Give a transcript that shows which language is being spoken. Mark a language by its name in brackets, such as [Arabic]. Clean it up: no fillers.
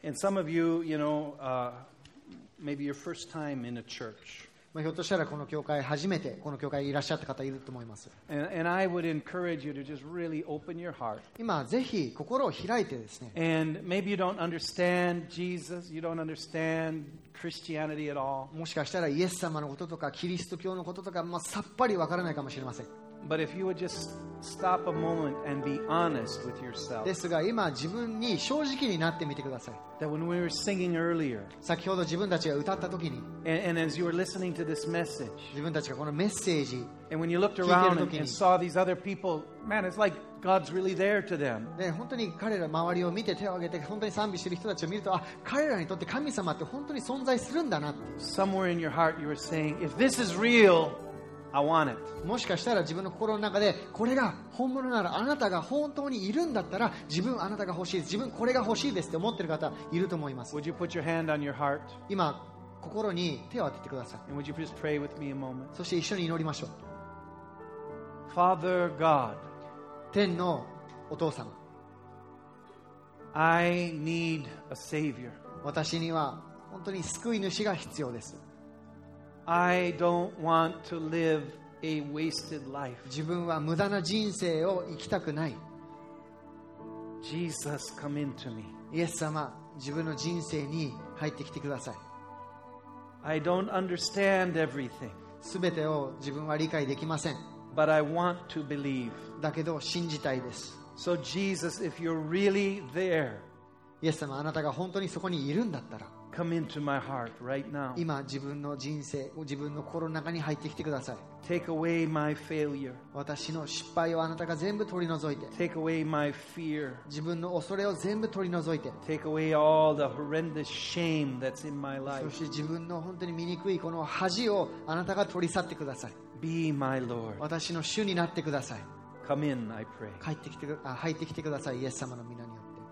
[English] And some of you, you know, maybe your first time in a church. [Japanese] ひょっとしたらこの教会初めてこの教会にいらっしゃった方いると思います [English] And I would encourage you to just really open your heart. [Japanese] 今ぜひ心を開いてですね [English] And maybe you don't understand Jesus, you don't understandChristianity at all. [Japanese] もしかしたらイエス様のこととかキリスト教のこととか、まあ、さっぱりわからないかもしれません。 [English] But if you would just stop a moment and be honest with yourself. [Japanese] ですが、今自分に正直になってみてください。 [English] That when we were singing earlier, [Japanese] 先ほど自分たちが歌った時に、 [English] and as you were listening to this message, [Japanese] 自分たちがこのメッセージ、 [English] and when you looked around and saw these other people, man, it's like God's really there to them. [Japanese] ね、本当に彼ら周りを見て手を挙げて本当に賛美している人たちを見ると、あ、彼らにとって神様って本当に存在するんだなって。 [English] Somewhere in your heart, you were saying, if this is real. I want it. [Japanese] もしかしたら自分の心の中でこれが本物ならあなたが本当にいるんだったら自分あなたが欲しい自分これが欲しいですって思ってる方いると思います [English] Would you put your hand on your heart? [Japanese] 今心に手を当ててください [English] And would you please pray with me a moment? [Japanese] そして一緒に祈りましょう [English] Father God [Japanese] 天のお父様 [English] I need a savior [Japanese] 私には本当に救い主が必要です [English] I don't want to live a wasted life. [Japanese] 自分は無駄な人生を生きたくない。 [English] Jesus, come into me. [Japanese] イエス様、自分の人生に入ってきてください。 [English] I don't understand everything. [Japanese] 全てを自分は理解できません。 [English] But I want to believe. [Japanese] だけど信じたいです。 [English] So Jesus, if you're really there, [Japanese] イエス様、あなたが本当にそこにいるんだったら、 [English] Come into my heart right now. [Japanese] 今自分の人生、自分の心の中に入ってきてください。 [English] Take away my failure. [Japanese] 私の失敗をあなたが全部取り除いて。 [English] Take away my fear. [Japanese] 自分の恐れを全部取り除いて。 [English] Take away all the horrendous shame that's in my life. [Japanese] そして自分の本当に醜いこの恥をあなたが取り去ってください。 [English] Be my Lord. [Japanese] 私の主になってください。 [English] Come in, I pray. [Japanese] 入ってきてください、イエス様の御名によって。